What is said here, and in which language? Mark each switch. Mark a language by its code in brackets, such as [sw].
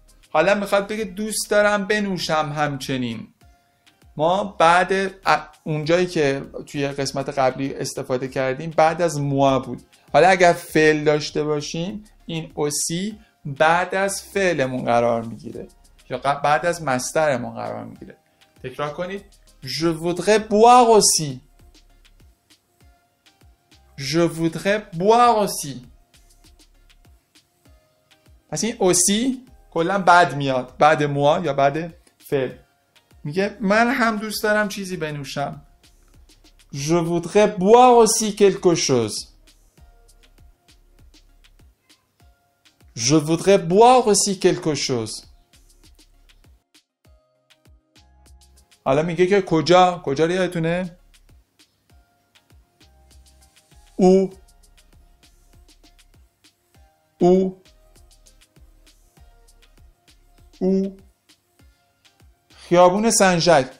[fa] حالا میخواد بگه دوست دارم بنوشم همچنین. ما بعد اونجایی که توی قسمت قبلی استفاده کردیم بعد از موا بود. حالا اگر فعل داشته باشیم این اوسی بعد از فعلمون قرار میگیره یا بعد از مصدرمون قرار میگیره. تکرار کنید. [fr] Je voudrais boire aussi. Je voudrais boire aussi. [fa] پس این aussi کلن بعد میاد، بعد موا یا بعد فعل. میگه من هم دوست دارم چیزی بنوشم. [fr] Je voudrais boire aussi quelque chose. Je voudrais boire aussi quelque chose. [fa] حالا میگه که کجا؟ کجا یادتونه؟ او خیابون سن ژاک.